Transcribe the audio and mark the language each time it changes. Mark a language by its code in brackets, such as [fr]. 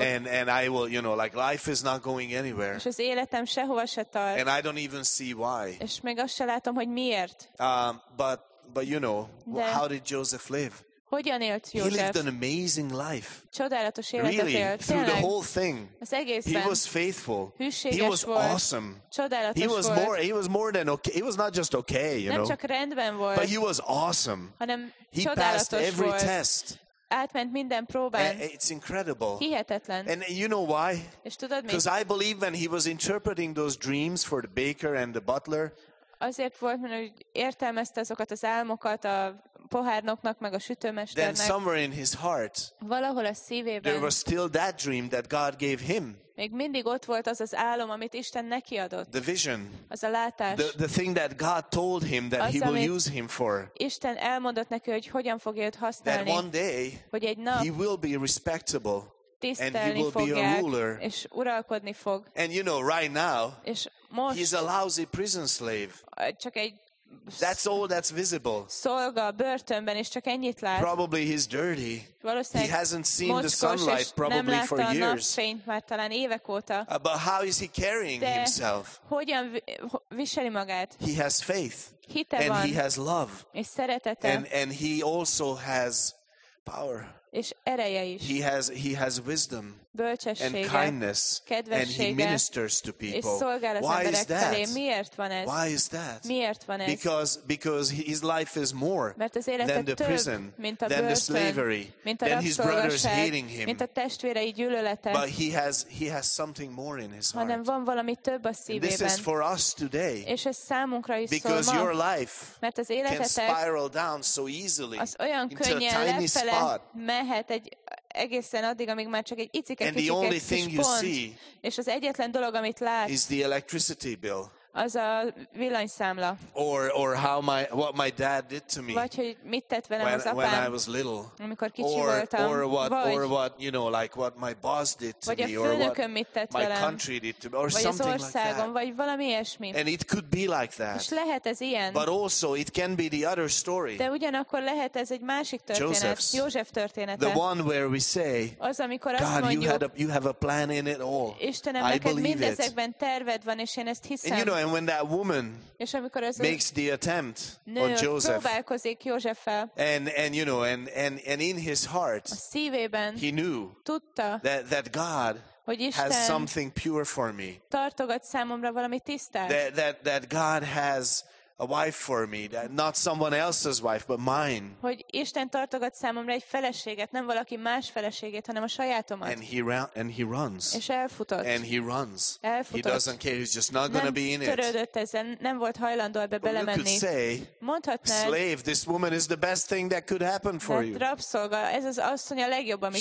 [en] And I will, you know, like life is not going anywhere. [hu] És az életem sehova se tart. [en] And I don't even see why. [hu] És még azt sem látom, hogy miért. [en] But you know, [hu] de [en] how did Joseph live? [hu] Hogyan élt József? [en] He lived an amazing life. [hu] Csodálatos életet élt. [en] Really, [hu] tényleg, [en] through the whole thing. [hu] Az egészben. [en] He was faithful. [hu] Hűséges [en] he was [hu] volt. [en] Awesome. [hu] Csodálatos [en] he was [hu] volt. [en] More, he was more than okay. He was not just okay, you [hu] nem [en] know. [hu] Csak rendben volt. [en] But he was awesome. [hu] Hanem [en] he passed every test. [hu] Átment minden próbán. [en] It's incredible. [hu] Hihetetlen. [en] And you know why? [hu] És tudod mi? [en] Because I believe when he was interpreting those dreams for the baker and the butler, [hu] azért volt, mert hogy értelmezte azokat az álmokat a pohárnoknak, meg a sütőmesternek. Valahol a szívében. [en] There was still that dream that God gave him. [hu] Még mindig ott volt az az álom, amit Isten neki adott. [en] The vision. [hu] Az a látás. [en] The thing that God told him that [hu] az, [en] he will use him for. [hu] Isten elmondott neki, hogy hogyan fogja őt használni. [en] That one day, [hu] hogy egy nap [en] he will be respectable. And he will be a ruler. [hu] És uralkodni fog. [en] And you know, right now, [hu] és most [en] he's a lousy prison slave. [hu] Csak egy [en] that's all that's visible. [hu] Szolga a börtönben, és csak ennyit lát. [en] Probably he's dirty. [hu] Valószínűleg [en] he hasn't seen the sunlight probably for years. [hu] Nem látta a napfényt már talán évek óta. [en] But how is he carrying [hu] de [en] himself? [hu] Hogyan viseli magát? [en] He has faith. [hu] Hite [en] and [hu] van. [en] He has love. [hu] És szeretete. [en] And he also has power. [hu] És ereje is. [en] He has wisdom, [hu] bölcsessége, [en] and kindness, [hu] kedvessége, [en] and he ministers to people. Why is that? Why is that? [hu] Miért van ez? [en] Because his life is more than the prison, [hu] mint a [en] than [hu] börtön, [en] the slavery, [hu] mint a [en] than his brothers hating him, [hu] mint a testvérei gyűlölete. [en] But he has something more in his heart. [hu] Hanem van valami több a szívében. [en] And this is for us today. [hu] És ez számunkra is [en] because [hu] szól [en] your life [hu] mert az életetek [en] can spiral down so easily [hu] az olyan [en] into a tiny spot. [hu] Mehet egy egészen addig, amíg már csak egy icike [en] and the only thing [hu] pont, [en] you see [hu] és az egyetlen dolog, amit látsz, [en] is the electricity bill. [hu] Az a villanyszámla. [en] Or how what my dad did to me. [hu] Vagy hogy mit tett velem [en] when, [hu] az apám. [en] When I was little. [hu] Amikor kicsi [en] or, [hu] voltam. [en] Or what, [hu] vagy, [en] or what, you know, like what my boss did to [hu] vagy [en] me. [hu] Vagy a főnököm mit tett [en] my [hu] velem. [en] My country did to me. Or [hu] vagy [en] something [hu] az országom, [en] like that. [hu] Vagy valami ilyesmi. [en] And it could be like that. [hu] És lehet ez ilyen. [en] But also it can be the other story. [hu] De ugyanakkor lehet ez egy másik történet. [en] Joseph's. [hu] József története. [en] The one where we say, [hu] az, amikor [en] God, [hu] azt mondjuk, [en] you have a plan in it all. [hu] Istenem, [en] I [hu] neked [en] believe [hu] mindezekben [en] it. [hu] Terved van, és én ezt hiszem. [en] And you know, and when that woman makes the attempt on Joseph, [hu] próbálkozik Józseffel, [en] and you know, and in his heart, [hu] a szívében, [en] he knew [hu] tudta, [en] that God has something pure for me. [hu] Tartogat számomra valami tisztát. [en] That God has a wife for me, not someone else's wife, but mine. [hu] Hogy Isten tartogat számomra egy feleséget, nem valaki más feleségét, hanem a sajátomat. [en] And he runs. [hu] És elfutott. [en] And he runs. [hu] Elfutott. [en] He doesn't care. He's just not going to be in it. [hu] Nem törődött ezzel, nem volt hajlandó ebbe belemenni. [en] You could say, [hu] mondhatnád, [en] slave, this woman is the best thing that could happen for you. [hu] Rabszolga, ez az asszony a legjobb, ami